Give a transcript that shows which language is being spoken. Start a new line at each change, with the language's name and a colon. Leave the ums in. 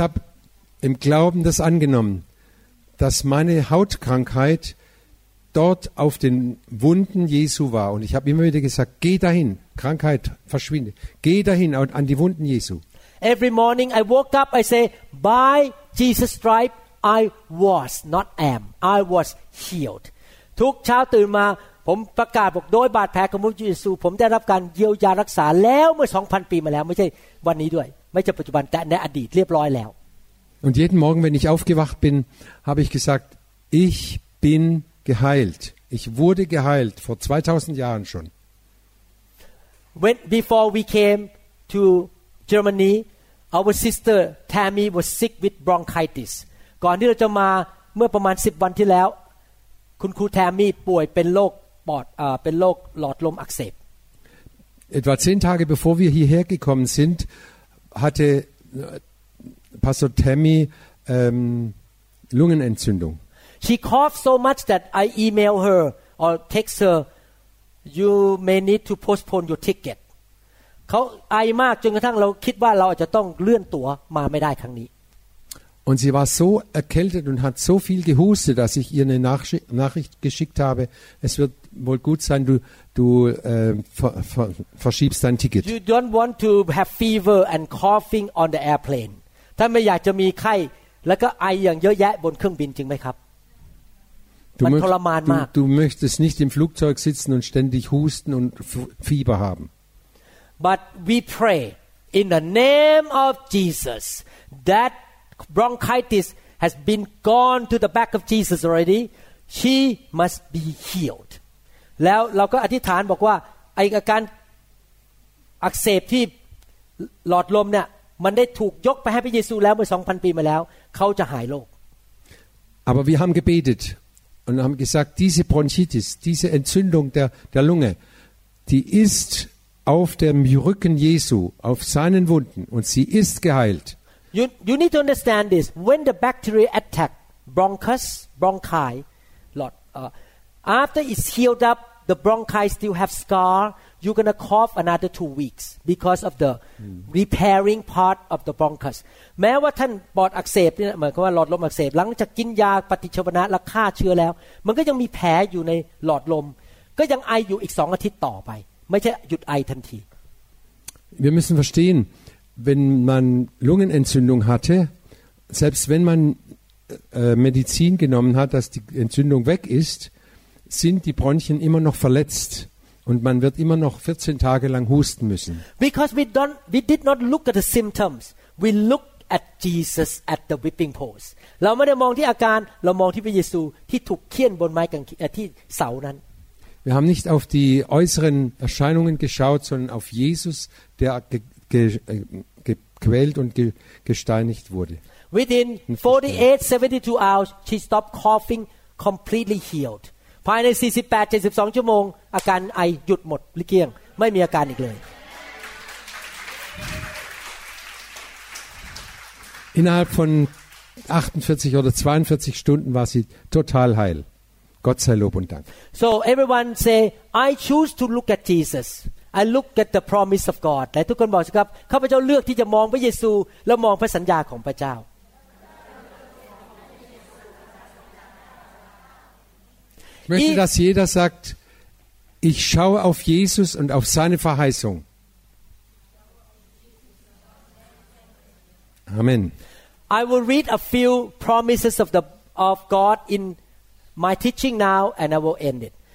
German: habe im Glauben das angenommen dass meine Hautkrankheit dort auf den Wunden Jesu war und ich habe immer wieder gesagt geh dahin Krankheit verschwinde geh dahin an die Wunden Jesu
English: every morning I woke up I say by Jesus stripe I was not am I was healed
Thai: ทุกเช้าตื่นมาผมประกาศบอกโดยบาดแผลของพระเยซู ผมได้รับการเยียวยารักษาแล้วเมื่อ 2,000 ปีมาแล้วไม่ใช่วันนี้ด้วยไม่ใช่ปัจจุบันแต่ในอดีตเรียบร้อยแล้ว
German: Und jeden Morgen, wenn ich aufgewacht bin, habe ich gesagt, ich bin geheilt. Ich wurde geheilt vor 2000 Jahren schon.
English: When, before we came to Germany, our sister Tammy was sick with bronchitis.
Thai: ก่อนที่เราจะมาเมื่อประมาณ10วันที่แล้วคุณครูแทมมี่ป่วยเป็นโรคปอดเป็นโรคหลอดลมอักเสบ
German: etwa zehn Tage bevor wir hierher gekommen sind hatte Pastor Tammy ähm, Lungenentzündung
English: she coughed so much that I email her or text her you may need to postpone your ticket
Thai: เขาไอมากจนกระทั่งเราคิดว่าเราอาจจะต้องเลื่อนตั๋วมาไม่ได้ครั้งนี้
German: Und sie war so erkältet und hat so viel gehustet, dass ich ihr eine Nachricht, Nachricht geschickt habe. Es wird wohl gut sein, du, du äh, ver, ver, verschiebst dein Ticket.
English: You don't want to have fever and coughing on the airplane.
Thai: ถ้าไม่อยากจะมีไข้แล้วก็ไออย่างเยอะแยะบนเครื่องบินจริงไหมครับ du มันทรมานมาก
German: du, du möchtest nicht im Flugzeug sitzen und ständig husten und f- Fieber haben
English: but we pray in the name Jesus that bronchitis has been gone to the back of Jesus already, she must be healed.
Thai: แล้วเราก็อธิษฐานบอกว่าไออาการอักเสบที่หลอดลมเนี่ยมันได้ถูกยกไปให้พระเยซูแล้วเมื่อ2,000ปีมาแล้วเขาจะหายโรค
German: Aber wir haben gebetet und haben gesagt, diese Bronchitis, diese Entzündung der, der Lunge, die ist auf dem Rücken Jesu, auf seinen Wunden und sie ist geheilt.
English: you you need to understand this when the bacteria attack bronchus bronchi lot uh, after it's healed up the bronchi still have scar you're gonna cough another two weeks because of the repairing part of the bronchus
Thai: แม้ว่าท่านปอดอักเสบเนี่ยเหมือนกับว่าหลอดลมอักเสบหลังจากกินยาปฏิชีวนะและฆ่าเชื้อแล้ว มันก็ยังมีแผลอยู่ในหลอดลม ก็ยังไออยู่อีกสองอาทิตย์ต่อไป ไม่ใช่หยุดไอทันที
German: wir müssen verstehen wenn man Lungenentzündung hatte, selbst wenn man äh, Medizin genommen hat, dass die Entzündung weg ist, sind die Bronchien immer noch verletzt und man wird immer noch 14 Tage lang husten müssen.
English: Because we don't, we did not look at the symptoms, we look at Jesus at the whipping post.
Thai: เราไม่ได้มองที่อาการ เรามองที่พระเยซูที่ถูกเคี่ยนบนไม้กางเขนที่เสานั้น
German: Wir haben nicht auf die äußeren Erscheinungen geschaut, sondern auf Jesus, der ge ge gequält und g- gesteinigt wurde.
English: Within 48, 72 hours, she stopped coughing, completely healed.
Thai: ภายใน48 72ชั่วโมงอาการไอหยุดหมดลิเกียงไม่มีอาการอีกเลย
German: innerhalb von 48 oder 42 Stunden war sie total heil Gott sei Lob und Dank
English: so everyone say I choose to look at Jesus I look at the promise of God
Thai: แต่ทุกคนบอกสิครับข้าพเจ้าเลือกที่จะมองพระเยซูแล้วมองพระสัญญาของพระเจ้า
German: Möchte, ich, dass jeder sagt, ich schaue auf Jesus und auf seine Verheißung.
English: Amen. I will read a few promises of, the, of God in my teaching now and I will end it.